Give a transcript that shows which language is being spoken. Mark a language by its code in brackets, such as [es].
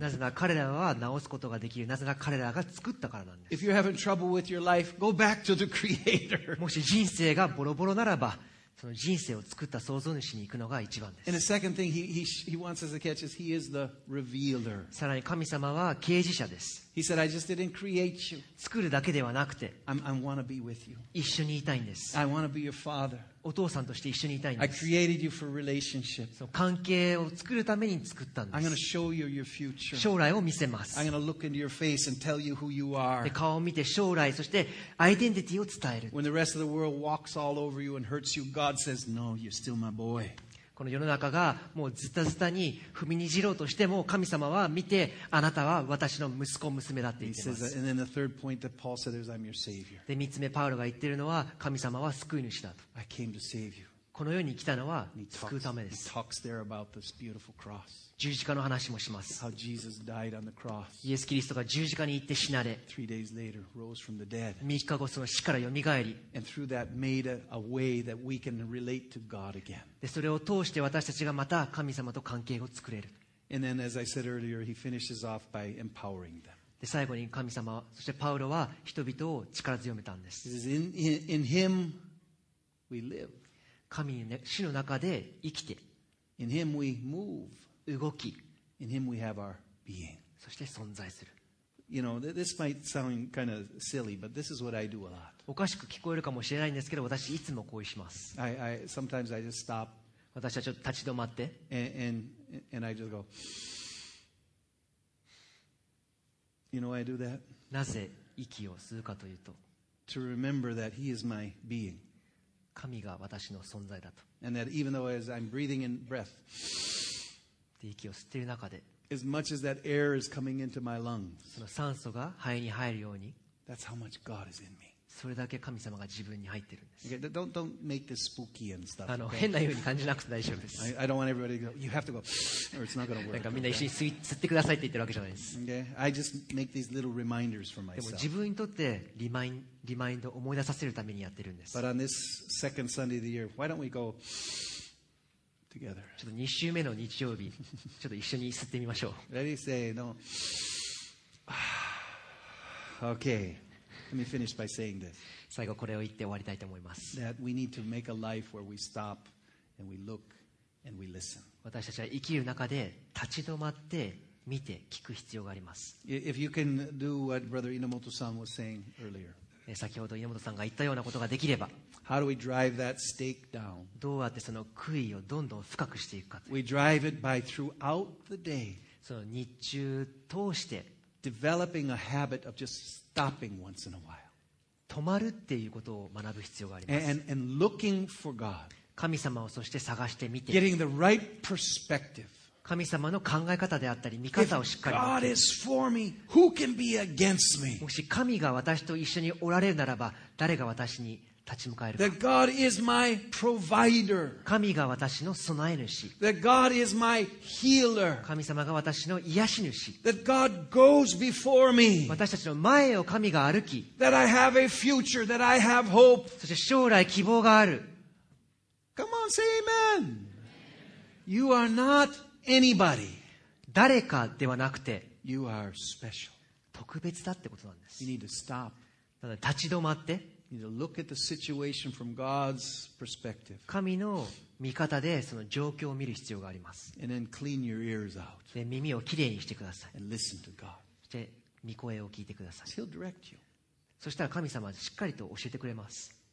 [ja] なぜなら彼らは直すことができる。なぜなら彼らが作ったからなんです。 [en] If you're having trouble with your life, go back to the creator. [ja] もし人生がボロボロならば、その人生を作った創造主に行くのが一番です。 [en] And the second thing he wants us to catch is he is the revealer. [ja] さらに神様は啓示者です。 [en] He said, I just didn't create you. [ja] 作るだけではなくて、 [en] I want to be with you. [ja] 一緒にいたいんです。 [en] I want to be your father. [ja] お父さんとして一緒にいたいんです。 [en] I created you for relationship. [ja] その関係を作るために作ったんです。 [en] I'm going to show you your future. [ja] 将来を見せます。 [en] I'm going to look into your face and tell you who you are. [ja] で、顔を見て将来、そしてアイデンティティを伝える。 [en] When the rest of the world walks all over you and hurts you, God says, No, you're still my boy. [ja] この世の中がもうズタズタに踏みにじろうとしても、神様は見て、あなたは私の息子娘だって言っています。で、三つ目、パウロが言っているのは、神様は救い主だと。 [en] I came to save you. [ja] この世に来たのは救うためです。 [en] He talks there about this beautiful cross. [ja] 十字架の話もします。 [en] How Jesus died on the cross. [ja] イエス・キリストが十字架に行って死なれ、 [en] Three days later, rose from the dead. [ja] 3日後その死からよみがえり、 [en] And through that made a way that we can relate to God again. [ja] でそれを通して私たちがまた神様と関係を作れる。 [en] And then, as I said earlier, he finishes off by empowering them. [ja] で最後に神様、そしてパウロは人々を力強めたんです。 [en] It is in him we live. [ja] 神の死の中で生きて。 [en] In him we move. [ja] 動き。 [en] In him we have our being. [ja] そして存在する。 [en] You know, this might sound kind of silly, but this is what I do a lot. [ja] おかしく聞こえるかもしれないんですけど、私いつもこうします。 [en] Sometimes I just stop. [ja] 私はちょっと立ち止まって。 [en] And I just go. You know why I do that? [ja] なぜ息を吸うかというと。 [en] To remember that He is my being. [ja] 神が私の存在だと。 [en] And that even though as I'm breathing in breath. [ja] で息を吸っている中で。 [en] As much as that air is coming into my lungs. [ja] その酸素が肺に入るように。 [en] That's how much God is in me. [ja] それだけ神様が自分に入ってるんです。 [en] Okay, don't make this spooky and stuff. [ja] あの、変なように感じなくて大丈夫です。 [en] I don't want everybody to go, you have to go, or it's not going to work. [ja] なんかみんな一緒に吸ってくださいって言ってるわけじゃないです。 [en] Okay, I just make these little reminders for myself. [ja] でも自分にとってリマインドを思い出させるためにやってるんです。 [en] But on this second Sunday of the year, why don't we go together? [ja] ちょっと2週目の日曜日、ちょっと一緒に吸ってみましょう。 [en] Ready, say, no. Okay. Let me finish by saying this. [ja] 最後これを言って終わりたいと思います。 [en] That we need to make a life where we stop and we look and we listen. [ja] 私たちは生きる中で立ち止まって見て聞く必要があります。 [en] If you can do what Brother Inomoto-san was saying earlier. [ja] 先ほど Inomoto-san が言ったようなことができれば。 [en] How do we drive that stake down? [ja] どうやってその杭をどんどん深くしていくかという。 [en] We drive it by throughout the day. [ja] その日中通して。 [en] Developing a habit of just stopping once in a while. [ja] 止まるっていうことを学ぶ必要があります。 [en] And looking for God. [ja] 神様をそして探してみて。 [en] Getting the right perspective. [ja] 神様の考え方であったり見方をしっかり。 [en] If God is for me, who can be against me? [ja] もし神が私と一緒におられるならば、誰が私に立ち向かえるか。 [en] That God is my provider. [ja] 神が私の備え主。 [en] That God is my healer. [ja] 神様が私の癒し主。 [en] That God goes before me. [ja] 私たちの前を神が歩き。 [en] That I have a future, that I have hope. [ja] そして将来希望がある。 [en] Come on, say amen. You are not anybody. [ja] 誰かではなくて。 [en] You are special. [ja] 特別だってことなんです。 [en] You need to stop. [ja] だから立ち止まって。 [en] You need to look at the situation from God's perspective. [ja] 神の見方でその状況を見る必要があります。 [en] And then clean your ears out. [ja] で、耳をきれいにしてください。 [en] And listen to God. [ja] そして、御声を聞いてください。 [en] He'll direct you. [ja] そしたら神様はしっかりと教えてくれます。